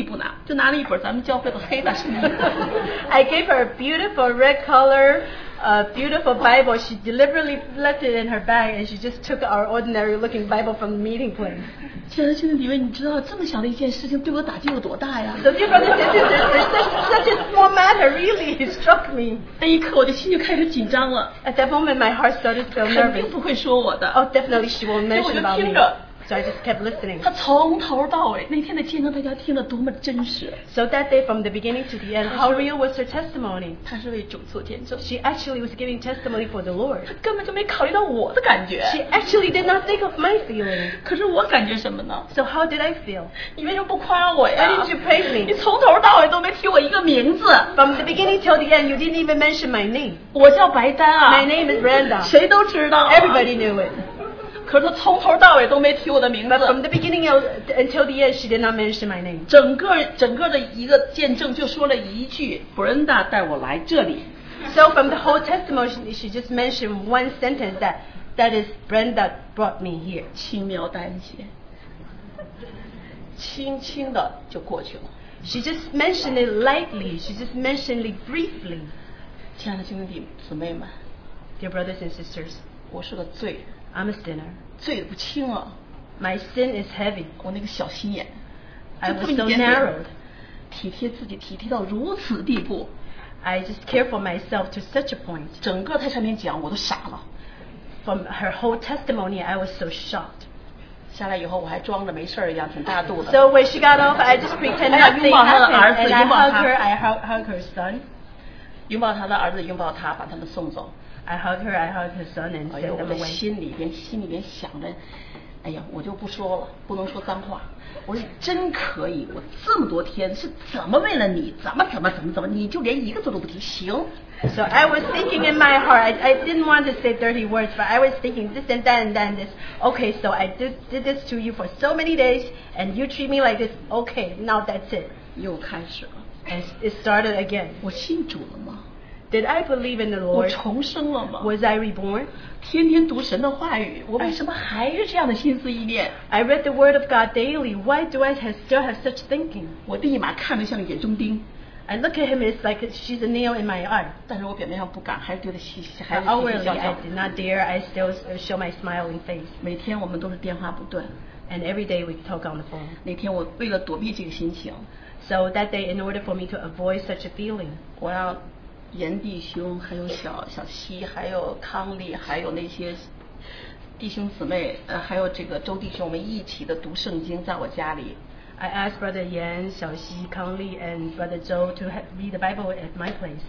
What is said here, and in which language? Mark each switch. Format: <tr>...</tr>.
<zh>她上来以后，她竟然我送给她曾经送给她一本藕色的特别鲜艳的一个皮子那样的一个圣经，就在她的包里装着。她就故意不拿，就拿了一本咱们教会的黑的圣经。</zh> <en>I gave her a beautiful red color, beautiful Bible. She deliberately left it in her bag, and she just took our ordinary looking Bible from the meeting place.</en> <zh>亲爱的弟兄姊妹，你知道这么小的一件事情对我打击有多大呀？</zh> <en>such a small matter really struck me.</en> <zh>那一刻，我的心就开始紧张了。</zh> <en>At that moment, my heart started to feel nervous.</en> <zh>肯定不会说我的。</zh> <en>Oh, definitely she won't mention about me. So I just kept listening.</en> <zh>她从头到尾那天的见证，大家听了多么真实。</zh> <en>So that day, from the beginning to the end, how real was her testimony?</en> <zh>她是为主做见证。</zh> <en>She actually was giving testimony for the Lord.</en> <zh>她根本就没考虑到我的感觉。</zh> <en>She actually did not think of my feeling.</en> <zh>可是我感觉什么呢？</zh> <en>So how did I feel?</en> <zh>你为什么不夸我呀？</zh> <en>Why didn't you praise me?</en> <zh>你从头到尾都没提我一个名字。</zh> <en>From the beginning till the end, you didn't even mention my name.</en> <zh>我叫白丹啊。</zh> <en>My name is Brenda.</en> <zh>谁都知道。</zh> <en>Everybody knew it.</en> <zh>可是他从头到尾都没提我的名字</zh> <en>From the beginning until the end, she did not mention my name</en> <zh>整个的一个见证就说了一句 Brenda 带我来这里</zh> <en>So from the whole testimony, she just mentioned one sentence that is Brenda brought me here</en> <zh>轻描淡写 轻轻的就过去了</zh> <en>She just mentioned it lightly, she just mentioned it briefly</en> <zh>亲爱的兄弟姊妹们</zh> <en>Dear brothers and sisters</en> <zh>我是个罪</zh> <en>I'm a sinner.</en> <zh>罪不轻了。</zh> <en>My sin is heavy.</en> <zh>我那个小心眼。</zh> <en>I was so narrowed.</en> <zh>体贴自己体贴到如此地步。</zh> <en>I just care for myself to such a point.</en> <zh>整个太上面讲我都傻了。</zh> <en>From her whole testimony, I was so shocked.</en> <zh>下来以后我还装着没事一样，挺大度的。</zh> <en>So when she got off, I just pretended nothing happened. And I hugged her, I hugged her son.</en> <zh>拥抱她的儿子，拥抱她，把他们送走。</zh> <en>I hugged her, I hugged her son, and sent them away.</en> <zh>我的心里边想着，哎呀，我就不说了，不能说脏话。我说真可以，我这么多天是怎么为了你，怎么，你就连一个字都不提，行。</zh> <en>So I was thinking in my heart, I didn't want to say dirty words, but I was thinking this and that and then this. Okay, so I did this to you for so many days, and you treat me like this. Okay, now that's it.</en> <zh>又开始了。</zh> <en>And it started again.</en> <zh>我信主了吗？</zh> <en>Did I believe in the Lord?</en> <zh>我重生了吗？</zh> <en>Was I reborn?</en> <zh>天天读神的话语，我为什么还是这样的心思意念？</zh> <en>I read the word of God daily. Why do I still have such thinking?</en> <zh>我立马看得像眼中钉。</zh> <en>I look at him, it's like she's a nail in my eye.</en> <zh>但是我表面上不敢，还是对着</zh> <en>Outwardly, I did not dare. I still show my smiling face.</en> <zh>每天我们都是电话不断。</zh> <en>And every day we talk on the phone.</en> <zh>那天我为了躲避这个心情。</zh> <en>So that day, in order for me to avoid such a feeling,</en> <zh>我要严弟兄还有小西还有康利还有那些弟兄姊妹还有这个周弟兄我们一起的读圣经在我家里。</zh> <en>I asked Brother Yan, 小西康利 and Brother Zhou to read the Bible at my place.</en>